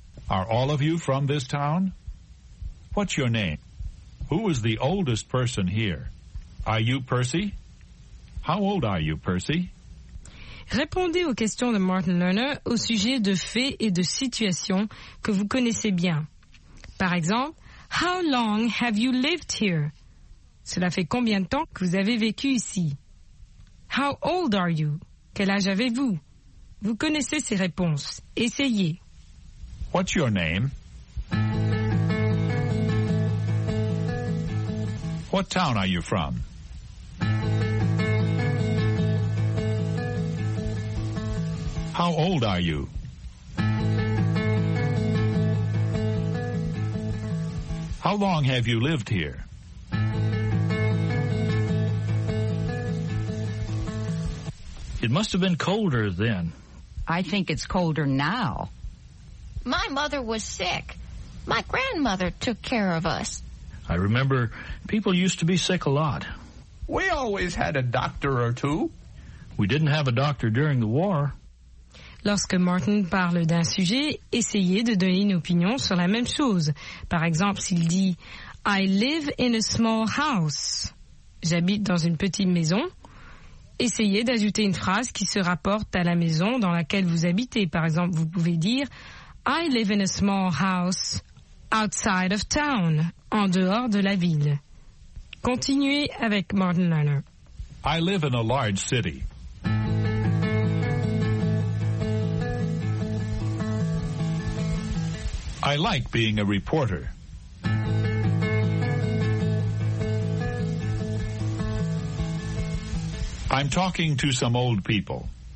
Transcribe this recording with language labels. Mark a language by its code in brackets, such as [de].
[en] Are all of you from this town? What's your name? Who is the oldest person here? Are you Percy? How old are you, Percy? [fr] Répondez aux questions de Martin Lerner au sujet de faits et de situations que vous connaissez bien. Par exemple, [en] How long have you lived here? [fr] Cela fait combien de temps que vous avez vécu ici? [en] How old are you? [fr] Quel âge avez-vous? Vous connaissez ces réponses. Essayez. [en] What's your name? What town are you from? How old are you? How long have you lived here? It must have been colder then. I think it's colder now. My mother was sick. My grandmother took care of us. I remember people used to be sick a lot. We always had a doctor or two. We didn't have a doctor during the war. [fr] Lorsque Martin parle d'un sujet, essayez de donner une opinion sur la même chose. Par exemple, s'il dit, [en] I live in a small house. [fr] J'habite dans une petite maison. Essayez d'ajouter une phrase qui se rapporte à la maison dans laquelle vous habitez. Par exemple, vous pouvez dire « [en] I live in a small house outside of town [fr] », en dehors de la ville. Continuez avec Martin Lerner. [en] « I live in a large city. » « I like being a reporter. » I'm talking to some old people.